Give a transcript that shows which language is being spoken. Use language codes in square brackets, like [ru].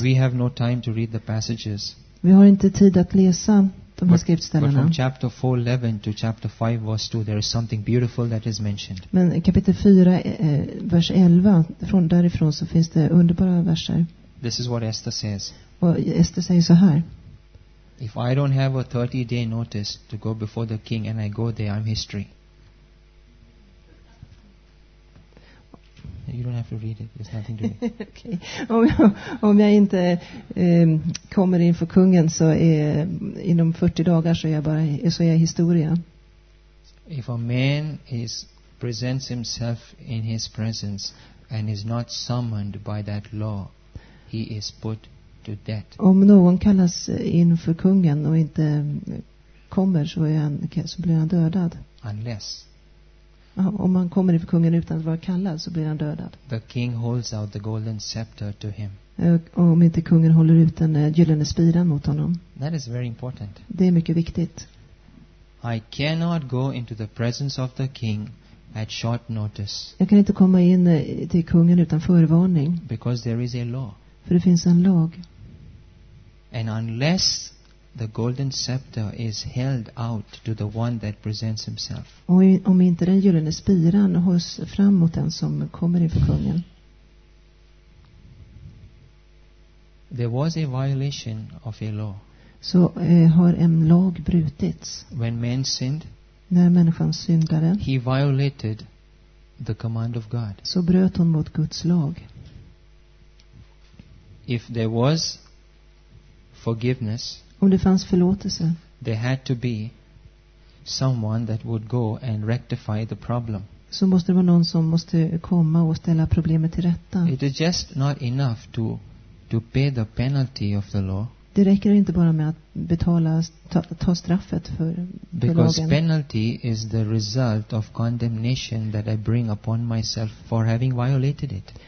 [en] We have no time to read the passages. [sv] Vi har inte tid att läsa de här skriftställena. [en] But from chapter 4:11 to chapter 5 verse 2 there is something beautiful that is mentioned. [sv] Men kapitel 4 vers 11 från därifrån så finns det underbara verser. [en] This is what Esther says. [sv] Och Esther säger så här. [en] If I don't have a 30 day notice to go before the king and I go there I'm history. You don't have to read it. There's nothing to read. Okay. [sv] Om jag inte kommer in för kungen så är inom 40 dagar så är jag historia. [en] If a man is presents himself in his presence and is not summoned by that law, he is put to death. [sv] Om någon kallas in för kungen och inte kommer så blir han dödad. [en] Unless. [sv] Om man kommer inför kungen utan att vara kallad så blir han dödad. [en] The king holds out the golden scepter to him. [sv] om inte kungen håller ut en gyllene spira mot honom. [en] That is very important. [sv] Det är mycket viktigt. [en] I cannot go into the presence of the king at short notice. [sv] Jag kan inte komma in till kungen utan förvarning. [en] Because there is a law. [sv] För det finns en lag. [en] And unless the golden scepter is held out to the one that presents himself. [sv] Och om inte den gyllene spiran hålls fram mot den som kommer inför kungen. [en] There was a violation of a law. [sv] Så har en lag brutits. [en] When man sinned, [sv] när människan syndade, [en] he violated the command of God. [sv] Så bröt hon mot Guds lag. [en] If there was forgiveness, [sv] om det fanns förlåtelse, [en] there had to be someone that would go and rectify the problem. [sv] Så måste det vara någon som måste komma och ställa problemet till rätta. [en] It is just not enough to pay the penalty of the law. [sv] Det räcker inte bara med att betala, ta straffet för lagen. [en] Because penalty is the result of condemnation that I bring upon myself for having violated it.